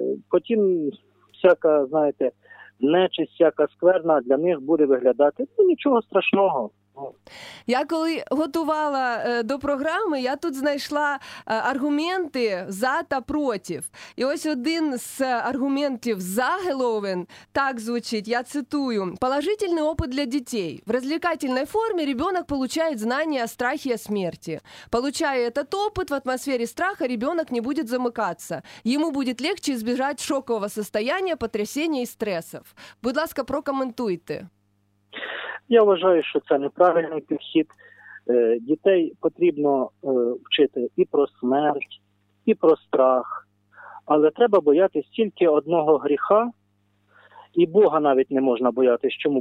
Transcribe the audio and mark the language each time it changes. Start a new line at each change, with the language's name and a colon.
Ukrainian: Потім всяка, знаєте, нечисть, всяка скверна для них буде виглядати. Ну, нічого страшного. Я коли готувала до програми, я тут знайшла аргументи за та проти. І ось один з аргументів за Геловен так звучить, я цитую.
Russian: «Положительный опыт для детей. В развлекательной форме ребенок получает знания о страхе и о смерти. Получая этот опыт, в атмосфере страха ребенок не будет замыкаться. Ему будет легче избежать шокового состояния, потрясений и стрессов».
Ukrainian: Будь ласка, прокоментуйте. Я вважаю, що це неправильний підхід. Дітей потрібно вчити і про смерть, і про страх. Але треба боятися тільки одного гріха, і Бога навіть не можна боятися. Чому?